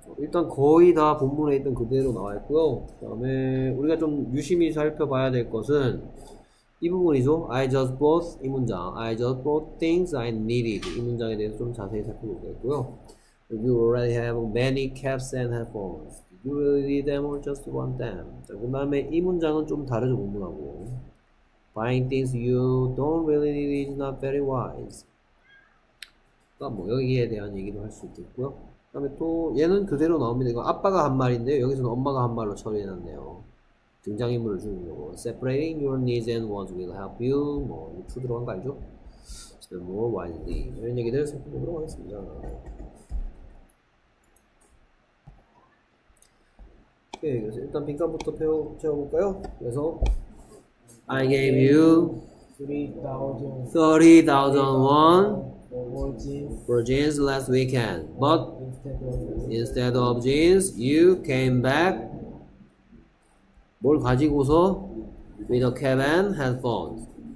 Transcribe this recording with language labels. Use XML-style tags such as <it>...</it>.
<ko>일단 거의 다 본문에 있던 그대로 나와 있고요. 그다음에 우리가 좀 유심히 살펴봐야 될 것은 이 부분이죠.</ko> <en>I just bought</en> <ko>이 문장.</ko> <en>I just bought things I needed.</en> <ko>이 문장에 대해서 좀 자세히 살펴보겠고요.</ko> <en>You already have many caps and headphones. Did you really need them or just want them?</en> <ko>자, 그 다음에 이 문장은 좀 다르죠, 본문하고.</ko> <en>Buying things you don't really need is not very wise.</en> <ko>그러니까 뭐 여기에 대한 얘기도 할 수 있겠고요. 그 다음에 또 얘는 그대로 나옵니다. 이거 아빠가 한 말인데요. 여기서는 엄마가 한 말로 처리해놨네요. 등장인물을 주려고.</ko> <en>Separating your needs and wants will help you.</en> <ko>뭐, 투 들어간 거 알죠?</ko> <en>Spend more wisely.</en> <ko>이런 얘기들 살펴보도록 하겠습니다. 오케이, 그래서 일단 빈칸부터 채워볼까요?</ko> <en>그래서 I gave you 30,000 won for jeans last weekend, but instead of jeans, you came back</en> <ko>뭘 가지고서</ko> <en>with a cap and headphones.</en>